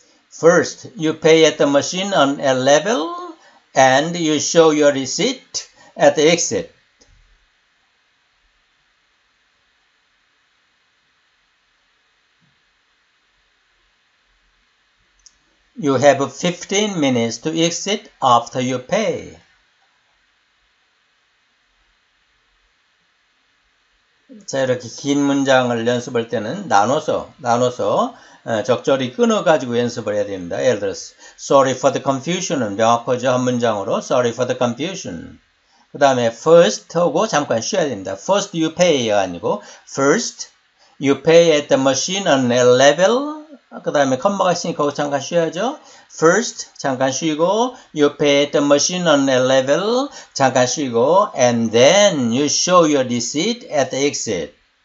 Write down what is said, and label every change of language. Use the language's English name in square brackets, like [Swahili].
[English] First, you pay at the machine on L level and you show your receipt at the exit. You have 15 minutes to exit after you pay. [Korean] 자, 이렇게 긴 문장을 연습할 때는 나눠서 적절히 끊어가지고 연습을 해야 됩니다. 예를 들어서, [English] sorry for the confusion [Korean] 은 명확하죠. 한 문장으로. [English] sorry for the confusion. [Korean] 그 다음에 first 하고 잠깐 쉬어야 됩니다. [English] first you pay [Korean] 가 아니고, [English] first you pay at the machine on a level. [Korean] 그 다음에 콤마가 있으니까 그거 잠깐 쉬어야죠. [English] first [Korean] 잠깐 쉬고, [English] you pay at the machine on a level 잠깐 쉬고, and then you show your receipt at the exit.